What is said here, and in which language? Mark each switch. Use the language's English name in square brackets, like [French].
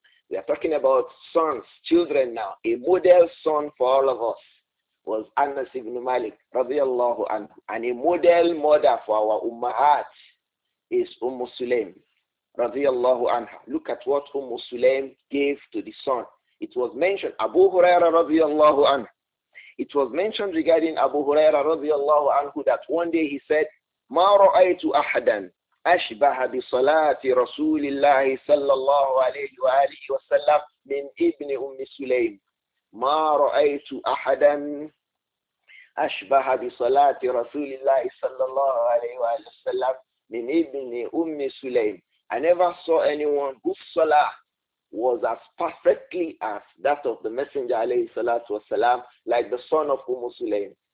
[English] We are talking about sons, children now. A model son for all of us was Anas ibn Malik radiallahu anhu. And a model mother for our ummahat is Umm Sulaym radiallahu anha. Look at what Umm Sulaym gave to the son. It was mentioned, Abu Huraira radiallahu anhu. It was mentioned regarding Abu Huraira radiallahu anhu that one day he said, [Arabic] مَا رَأَيْتُ أَحَدًا أَشْبَهَ بِصَلَاةِ رَسُولِ اللَّهِ صَلَّى اللَّهُ عَلَيْهِ وَآلِهِ وَسَلَّمْ مِنْ إِبْنِ أُمِّ سُلَيْمٍ. مَا رَأَيْتُ أَحَدًا أَشْبَهَ بِصَلَاةِ رَسُولِ اللَّهِ صَلَّى اللَّهُ عَلَيْهِ وَسَلَّمْ مِنْ إِبْنِ أُمِّ سُلَيْمٍ. [English] I never saw anyone whose salah was as perfectly as that of the messenger alayhi salatu wasalam, like the son of Umm Sulaym.